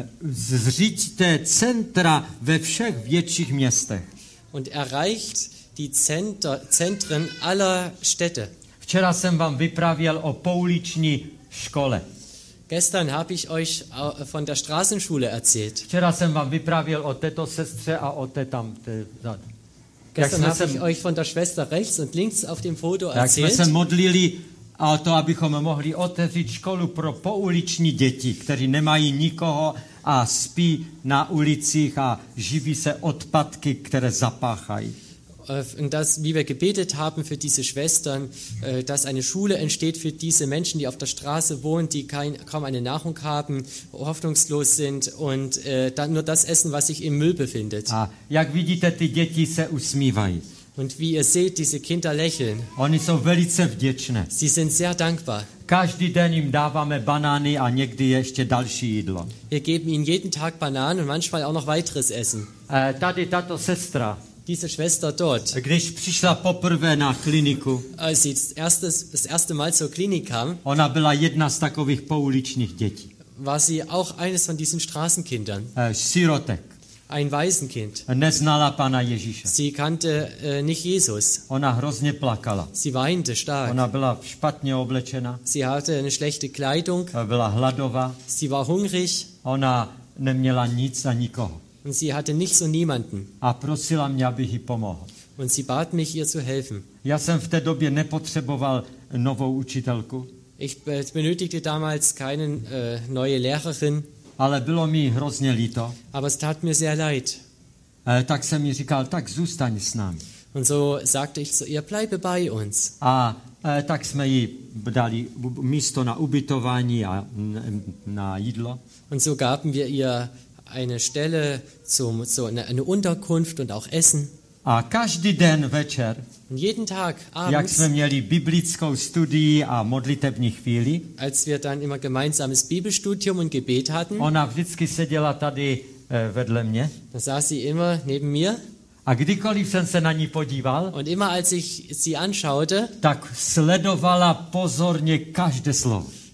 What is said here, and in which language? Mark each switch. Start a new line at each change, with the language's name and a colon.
Czech: Zřiďte centra ve všech větších městech.
German: Und erreicht die Zentren aller Städte.
Czech: Včera jsem vám vyprávěl o pouliční škole.
German: Gestern habe ich euch von der Straßenschule erzählt.
Czech: Včera jsem vám vyprávěl o této sestře a o té tam.
German: Gestern habe ich euch von der Schwester rechts und links auf dem Foto erzählt.
Czech: Jak jsme se modlili a to, abychom mohli otevřít školu pro pouliční děti, kteří nemají nikoho a spí na ulicích a živí se odpadky, které zapáchají.
German: Und das, wie wir gebetet haben für diese Schwestern, dass eine Schule entsteht für diese Menschen, die auf der Straße wohnen, die kaum eine Nahrung haben, hoffnungslos sind und dann nur das essen, was sich im Müll befindet.
Czech: A jak vidíte, ty děti se usmívají.
German: Und wie ihr seht, diese Kinder lächeln.
Czech: Oni jsou velice vděčné.
German: Sie sind sehr dankbar.
Czech: Každý den jim dáváme banány a někdy ještě další jídlo.
German: Wir geben ihnen jeden Tag Bananen und manchmal auch noch weiteres Essen.
Czech: Tady tato sestra.
German: Diese Schwester dort.
Czech: Když přišla poprvé na kliniku.
German: Als sie das erste Mal zur Klinik kam.
Czech: Ona byla jedna z takových pouličních dětí.
German: War sie auch eines von diesen Straßenkindern.
Czech: Sirotek.
German: Ein Waisenkind.
Czech: Neznala Pana Ježíše.
German: Sie kannte nicht Jesus.
Czech: Ona hrozně plakala.
German: Sie weinte stark.
Czech: Ona byla špatně oblečena.
German: Sie hatte eine schlechte Kleidung.
Czech: Byla hladová.
German: Sie war hungrig.
Czech: Ona neměla nic a nikoho.
German: Und sie hatte nichts und niemanden.
Czech: A prosila mě, abych jí pomohl.
German: Und sie bat mich, ihr zu helfen.
Czech: Já jsem v té době nepotřeboval novou učitelku.
German: Ich benötigte damals keine neue Lehrerin.
Czech: Ale bylo mi hrozně líto.
German: Aber es tat mir sehr leid.
Czech: Tak jsem mi říkal, tak zůstaň s námi.
German: Und so sagte ich zu ihr, bleibe bei uns.
Czech: A tak jsme jí dali místo na ubytování a na jídlo.
German: Und so gaben wir ihr eine Stelle eine Unterkunft und auch Essen.
Czech: A každý den večer.
German: Und jeden Tag abends.
Czech: Jak jsme měli biblickou studii a modlitební chvíli.
German: Als wir dann immer gemeinsames Bibelstudium und Gebet hatten.
Czech: Ona vždycky seděla tady vedle mě.
German: Dann saß sie immer neben mir.
Czech: A kdykoliv jsem se na ní podíval.
German: Und immer als ich sie anschaute.
Czech: Tak sledovala pozorně každé slovo.